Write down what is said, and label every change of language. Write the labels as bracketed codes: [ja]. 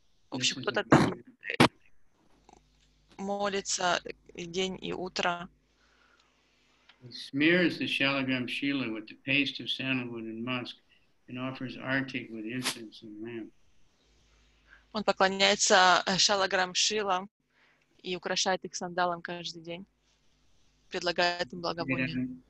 [ru] В общем, кто-то там молится и день, и утро. [en] He smears the Shalagram Shila with the paste of sandalwood and musk and offers Artik with incense and lamp. [ru] Он поклоняется Шалаграм Шила и украшает их сандалом каждый день, предлагает им благовоние.